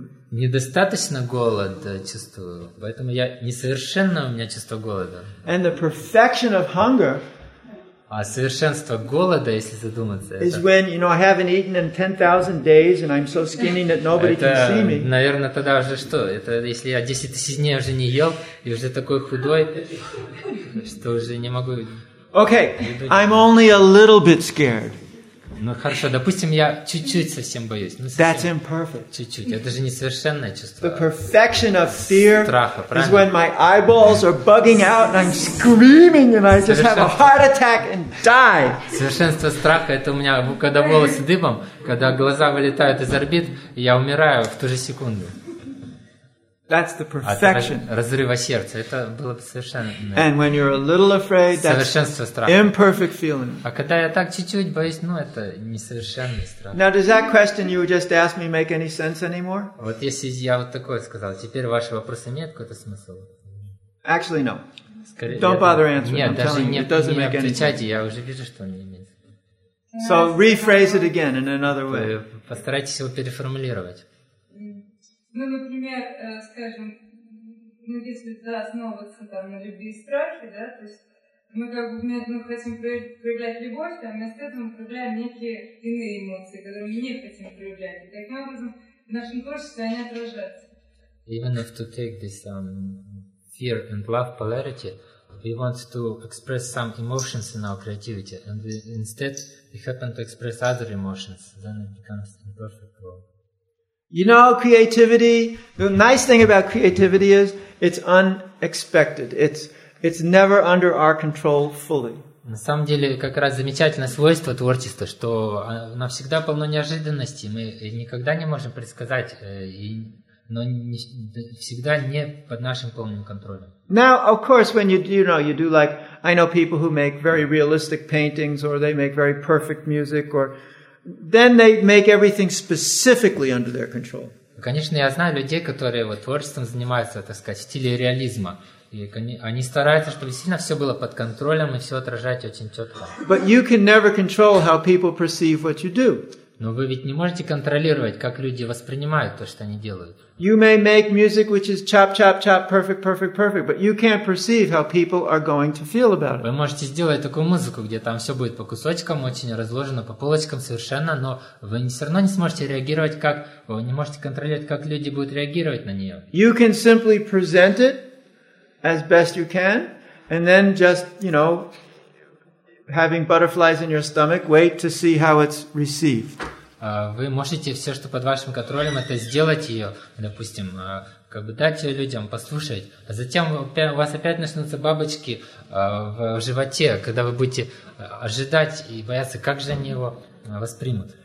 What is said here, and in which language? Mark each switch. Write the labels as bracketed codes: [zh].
[ru] недостаточно голод чувствую, поэтому я несовершенно у меня чувство голода. [en] And the perfection of hunger. [ru] А совершенство голода, если задуматься, [en] is when you know I haven't eaten in 10,000 days and I'm so skinny that nobody can see me. [ru] Это, наверное, тогда уже что? Это если я 10 тысяч дней уже не ел и уже такой худой, что уже не могу. [en] Okay, I'm only a little bit scared. [ru] Ну хорошо, допустим, я чуть-чуть совсем боюсь. Ну, совсем [en] that's imperfect. [ru] Чуть-чуть. Это же несовершенное чувство. [en] The perfection of fear [ru] страха, [en] is when my eyeballs are bugging out and I'm screaming and I just have a heart attack and die. [ru] Совершенство страха это у меня, когда волосы дыбом, когда глаза вылетают из орбит, и я умираю в ту же секунду. [en] That's the perfection. [ru] От разрыва сердца. Это было бы совершенно. [en] And when you're a little afraid, [ru] совершенство [en] that's [ru] страха. [en] Imperfect feeling. [ru] А когда я так чуть-чуть боюсь, ну это несовершенный страх. [en] Now does that question you just asked me make any sense anymore? [ru] Вот если я вот такое сказал, теперь ваши вопросы имеют какой-то смысл? [en] Actually no. Don't bother answering. [ru] Нет, даже [en] I'm telling you, it doesn't make any sense. [ru] Я уже вижу, что он не имеет. [en] So rephrase it again in another way. [ru] Постарайтесь его переформулировать. Ну, например, скажем, ну, если да, основываться там на любви и страхе, да, то есть мы как бы мы хотим проявлять любовь, а вместо этого мы проявляем некие иные эмоции, которые мы не хотим проявлять. И таким образом в нашем творчестве они отражаются. [en] Even if to take this fear and love polarity, we want to express some emotions in our creativity, and we, instead we happen to express other emotions, then it becomes imperfect love. You know, creativity, the nice thing about creativity is it's unexpected. It's never under our control fully. [ru] На самом деле, как раз замечательное свойство творчества, что оно всегда полно неожиданностей. Мы никогда не можем предсказать, но всегда не под нашим полным контролем. [en] Now, of course, when you do like, I know people who make very realistic paintings or they make very perfect music or then they make everything specifically under their control. [ru] Конечно, я знаю людей, которые вот творчеством занимаются, так сказать, в стиле реализма. И они стараются, чтобы сильно все было под контролем и все отражать очень четко. [en] But you can never control how people perceive what you do. [ru] Но вы ведь не можете контролировать, как люди воспринимают то, что они делают. [en] You may make music which is chop chop chop perfect perfect perfect, but you can't perceive how people are going to feel about it. [ru] Вы можете сделать такую музыку, где там все будет по кусочкам, очень разложено по полочкам совершенно, но вы все равно не сможете реагировать, как вы не можете контролировать, как люди будут реагировать на нее. [en] You can simply present it as best you can, and then just, you know, having butterflies in your stomach, wait to see how it's received. [ru] Вы можете все, что под вашим контролем, это сделать ее, допустим, как бы дать ее людям послушать, а затем у вас опять начнутся бабочки в животе, когда вы будете ожидать и бояться, как же они его воспримут.